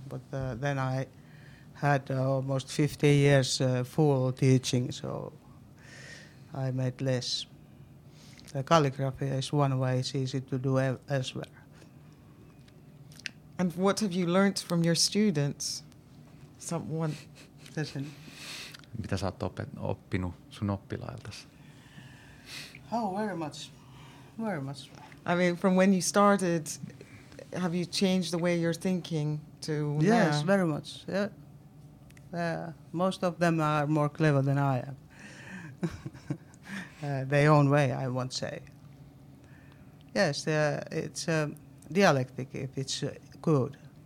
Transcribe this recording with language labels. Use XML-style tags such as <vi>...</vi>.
<en>But then I had almost 50 years full teaching, so I made less. Calligraphy is one way, it's easy to do elsewhere. And what have you learnt from your students? Someone. Listen.</en> <fi>Mitä sä oot oppinut sun oppilailtas?</fi> <en>Oh, very much. Very much. I mean, from when you started, have you changed the way you're thinking to now? Yes, very much. Yeah. Most of them are more clever than I am. their own way, I won't say. Yes, it's dialectic if it's good.</en>